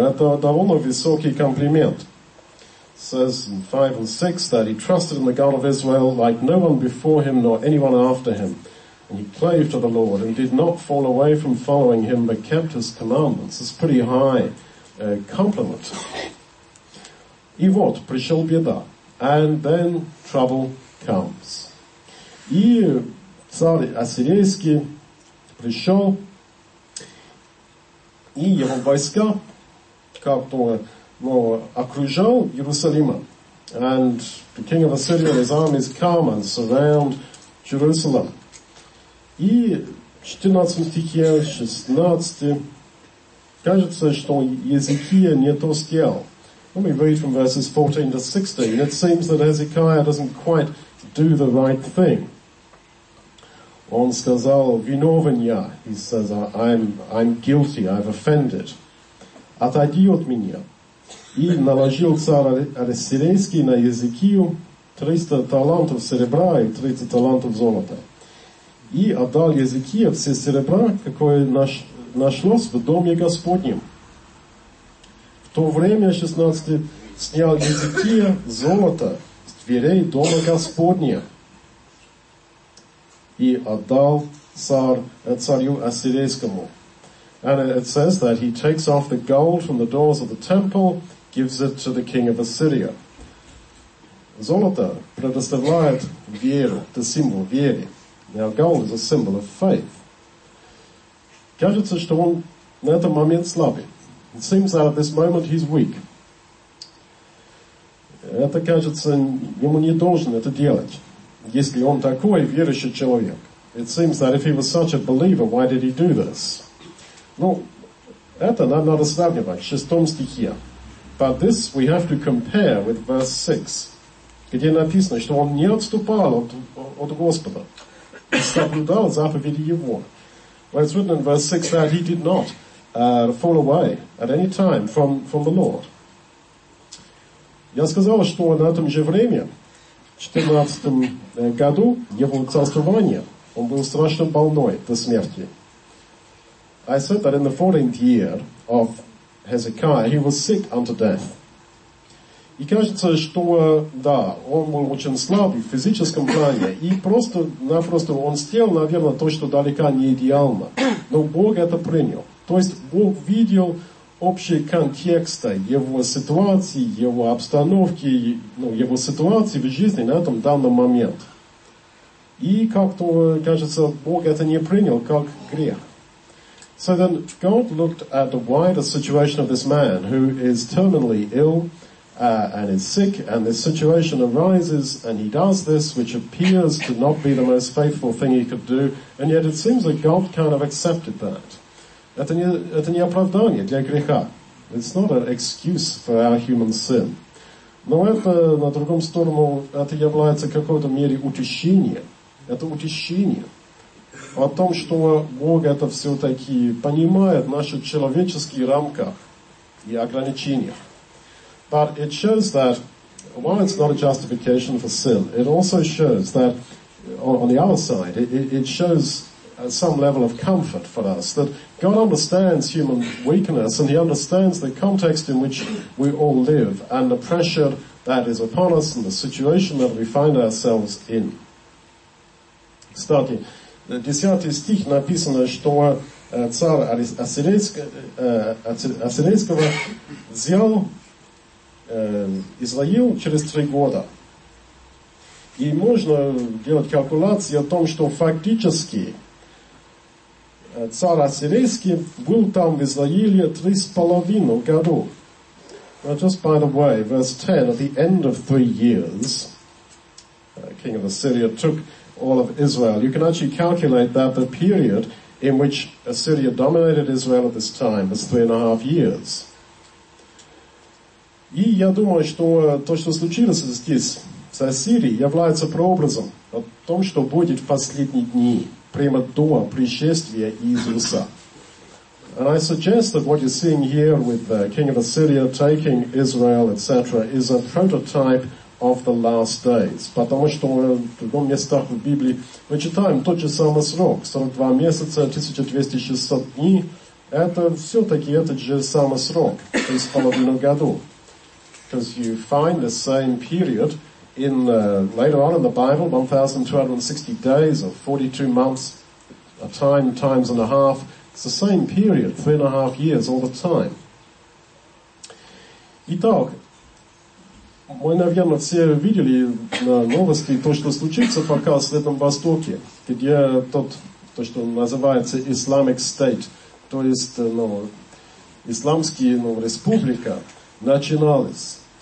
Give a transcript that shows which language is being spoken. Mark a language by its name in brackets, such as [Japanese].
[Russian] Это довольно высокий комплимент. [English] It says in 5 and 6 that he trusted in the God of Israel like no one before him nor anyone after him. And he clave to the Lord and did not fall away from following him, but kept his commandments. It's a pretty high compliment. [Russian] И вот пришел беда. [English] And then trouble comes. [Russian] И царь Ассирийский пришел, и его войска как-то, ну, окружал Иерусалима. [English] And the king of Assyria and his armies come and surround Jerusalem. [Russian] И в 14 стихе, 16, кажется, что Езекия не то сделал. [English] Let me read from verses 14 to 16. It seems that Hezekiah doesn't quite do the right thing. [Russian] Он сказал, виновен я. [English] He says, I'm guilty, I've offended. [Russian] Отойди от меня. И наложил царь Ассирийский на Езекию 300 талантов серебра и 30 талантов золота. И отдал Езекия все серебра, какое нашлось в доме Господнем. В то время, 16, снял Езекия золото с дверей дома Господня. И отдал царю Ассирийскому. [English] And it says that he takes off the gold from the doors of the temple, gives it to the king of Assyria. [Russian] Золото предоставляет веру, [English] the symbol [Russian] веры. [English] Now gold is a symbol of faith. [Russian] Кажется, что он на этот момент слабый. [English] It seems that at this moment he's weak. [Russian] Это кажется, ему не должен это делать. Если он такой верующий человек. [English] It seems that if he was such a believer, why did he do this? [Russian] Ну, это нам надо сравнивать в шестом стихе. [English] But this we have to compare with verse 6, [Russian] где написано, что он не отступал от Господа, и соблюдал заповеди его. [English] Well, it's written in verse 6 that he did not fall away at any time from the Lord. [Russian] Я сказал, что на том же время, в 14 году его царствования, он был страшно больной до смерти. [English] I said that in the 14th year of Hezekiah, he was sick unto death. [Russian] И кажется, что, да, он был очень слабый в физическом плане, и просто-напросто он сделал, наверное, то, что далеко не идеально. Но Бог это принял. То есть Бог видел общие контексты его ситуации, его обстановки, ну, его ситуации в жизни на этом данном момент. И как-то, кажется, Бог это не принял как грех. [English] So then God looked at the wider situation of this man who is terminally ill and is sick, and this situation arises and he does this, which appears to not be the most faithful thing he could do, and yet it seems that God kind of accepted that. [Russian] Это не оправдание для греха. [English] It's not an excuse for our human sin. [Russian] Но это, на другом сторону, это является какой-то мере утешение. Это утешение о том, что Бог это все-таки понимает в наших человеческих рамках и ограничениях. [English] But it shows that, while it's not a justification for sin, it also shows that, on the other side, it shows some level of comfort for us, that God understands human weakness, and he understands the context in which we all live, and the pressure that is upon us, and the situation that we find ourselves in. [Russian] Кстати, 10 стих написано, что царь Ассирийского взял Израил через 3 года. И можно делать калькуляции о том, что фактически царь Ассирийский был там в Израиле 3,5 года. [English] Now just by the way, verse 10, at the end of 3 years, king of Assyria took all of Israel. You can actually calculate that the period in which Assyria dominated Israel at this time was 3.5 years. [Russian] И я думаю, что то, что случилось здесь, с Ассирией, является прообразом о том, что будет в последние дни, прямо до пришествия Иисуса. [English] And I suggest that what you're seeing here with the king of Assyria taking Israel, etc., is a prototype of the last days. [Russian] Потому что в другом местах в Библии мы читаем тот же самый срок, 42 месяца, 1260 дней, это все-таки этот же самый срок, 3,5 года. [English] Because you find the same period in later on in the Bible, 1,260 days or 42 months, a time times and a half. It's the same period, 3.5 years all the time. [Russian] Итак, мы, наверное, все видели на новости то, что случится пока в Среднем Востоке, где то, что называется Islamic State, то есть исламская республика, начиналась.